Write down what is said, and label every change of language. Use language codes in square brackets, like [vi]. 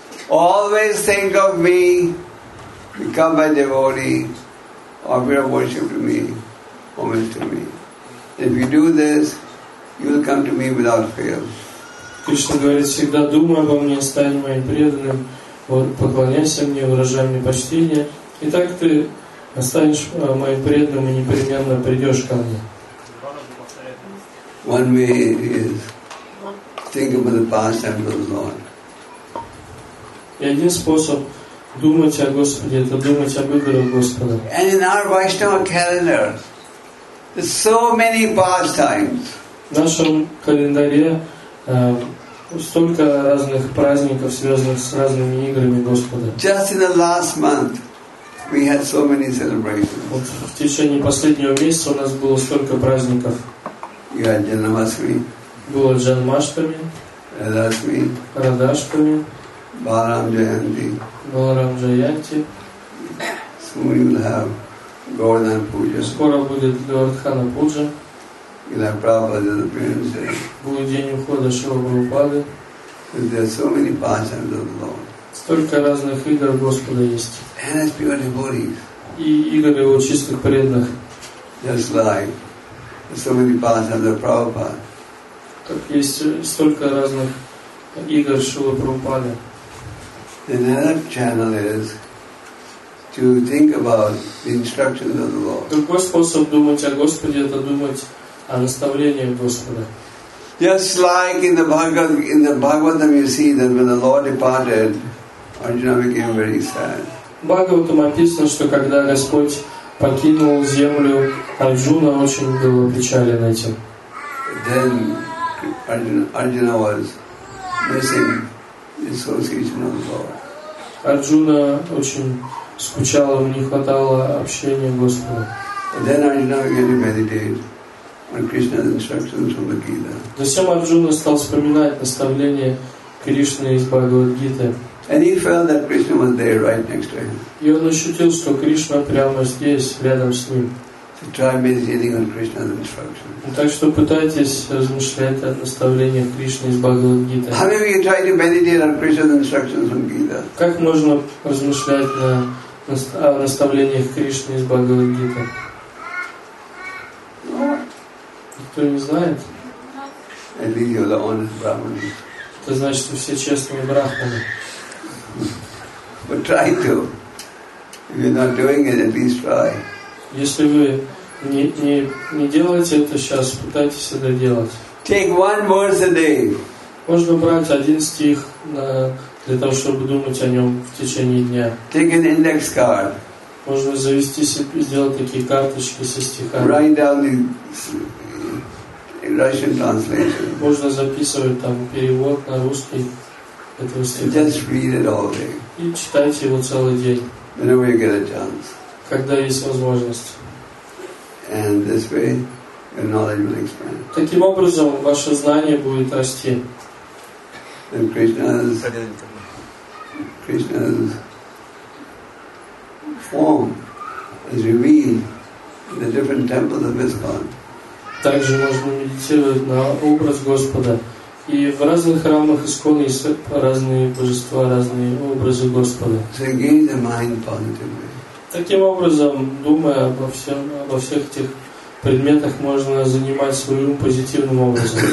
[en] Always think of me, become my devotee, offer your worship to me, homage to me. If you do this, you will come to me without fail. [ru] Кришна говорит, всегда думай обо мне, стань моим преданным, поклоняйся мне, выражай мне почтение, и так ты останешь моим преданным и непременно придешь ко мне. [en] One way is think about the past and the Lord. [ru] И один способ думать о Господе, это думать о выборах Господа. [en] And in our Vaishnava calendar, there's so many pastimes. [ru] В нашем календаре столько разных праздников, связанных с разными играми Господа. [en] Just in the last month, we had so many celebrations. [ru] Вот в течение последнего месяца у нас было столько праздников. [en] You had Janmashtami. [ru] Было Джанмаштами. [en] Радашми. [ru] Радашками. [en] Balaram Jayanti. [ru] Balaram Jayanti. [en] Soon we will have Govardhan Puja. [ru] Скоро будет Говардхана Пуджа. [en] We'll have Prabhupada's appearance day. [ru] Будет день ухода Шрила Прабхупады. [en] There are so many pastimes of the Lord. [ru] Столько разных игр Господа есть. [en] And as pure devotees. [ru] И игры его чистых преданных. [en] Just like there's so many pastimes of Prabhupada. [ru] Как есть столько разных игр Шрила Прабхупады. [en] The other channel is to think about the instructions of the Lord. [ru] Другой способ думать о Господе – это думать о наставлениях Господа. [en] Just like in the Bhagavatam, you see that when the Lord departed, Arjuna became very sad. [ru] Бхагаватам описано, что когда Господь покинул землю, Арджуна очень был опечален этим. [en] Then Arjuna was missing the association of the Lord. [ru] Арджуна очень скучал, ему не хватало общения с Господом. [en] Then Arjuna began to meditate on Krishna's instructions from the Gita. [ru] Затем Арджуна стал вспоминать наставления Кришны из Бхагавад-гиты. [en] And he felt that Krishna was there right next to him. [ru] И он ощутил, что Кришна прямо здесь, рядом с ним. [en] So [ru] Так что пытайтесь размышлять о наставлениях Кришны из Бхагавад-гиты. [en] How many of you try to meditate on Krishna's instructions from Gita? [ru] Как можно размышлять о наставлениях Кришны из Бхагавад-гиты? Никто не знает. [en] I think you're the honest Brahmani. [ru] Это значит, что все честные брахманы. [en] But try to. If you're not doing it, at least try. [ru] Если вы не делаете это сейчас, пытайтесь это делать. [en] Take one verse a day. [ru] Можно брать один стих для того, чтобы думать о нем в течение дня. [en] Take an index card. [ru] Можно завести себе, сделать такие карточки со стихами. [en] Write down the Russian translation. [ru] Можно записывать там перевод на русский этого стиха. [en] Just read it all day. [ru] И читайте его целый день. [en] Whenever you get a chance. [ru] Когда есть возможность. [en] And this way, your knowledge will expand. [ru] Таким образом, ваше знание будет расти. [en] And Krishna's form is revealed in the different temples of ISKCON. [ru] Также можно медитировать на образ Господа. И в разных храмах ИСККОН есть разные божества, разные образы Господа. [en] So gain the mind positively. [ru] Таким образом, думая обо всех этих предметах, можно занимать свой ум позитивным образом.